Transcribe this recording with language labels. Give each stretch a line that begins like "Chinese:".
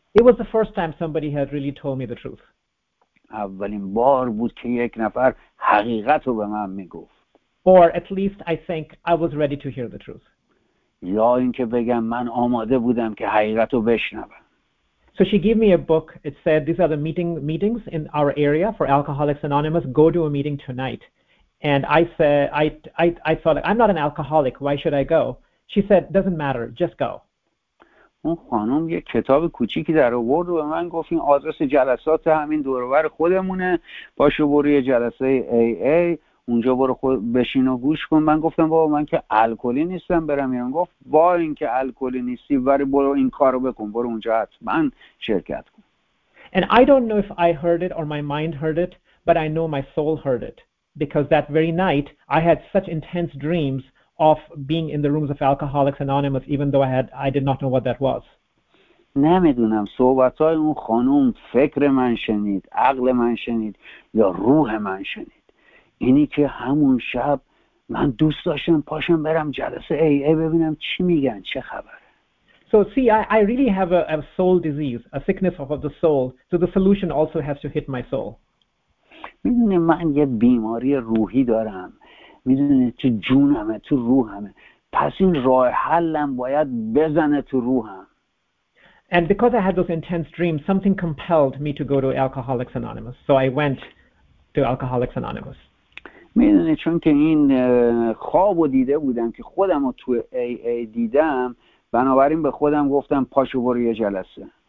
English: It was the first time somebody had really told me the truth.
Persian: اولین بار بود که یک نفر حقیقت رو به من میگفت.
English: Or at least I think I was ready to hear the truth.
Persian: یا اینکه بگم من آماده بودم که حقیقت رو بشنوم.
English: So she gave me a book. It said these are the meetings in our area for Alcoholics Anonymous. Go to a meeting tonight. And I said I thought, I'm not an alcoholic. Why should I go? She said, doesn't matter. Just go.
Persian: اون خانم یه کتاب کوچیکی در آورد و به من گفت این آدرس جلسات همین دوروبر خودمونه، باشو برو یه جلسه AA اونجا برو خود بشین و گوش کن. من گفتم بابا من که الکلی نیستم برم اینجا. گفت با اینکه الکلی نیستی ولی برو این کارو بکن، برو اونجا حتما شرکت کن.
English: And I don't know if I heard it or my mind heard it, but I know my soul heard it, because that very night I had such intense dreams of being in the rooms of Alcoholics Anonymous, even though I did not know what that was.
Persian: نمیدونم صحبتای اون خانم فکر من شنید، عقل من شنید یا روح من شنید. اینی که همون شب من دوست داشتم پاشم برم جلسه AA ببینم چی میگن، چه خبره.
English: So see, I really have a soul disease, a sickness of the soul. So the solution also has to hit my soul.
Persian: میدونی من یه بیماری روحی دارم. میدونی تو جونمه، تو روحمه، پس این راه حلم باید بزنه تو روحم.
English: And because I had those intense dreams, something compelled me to go to Alcoholics Anonymous. So I went to Alcoholics Anonymous.
Persian: میدونی چون که این خوابو دیده بودم که خودم رو تو AA دیدم، بنابراین به خودم گفتم پاشو برو یه جلسه.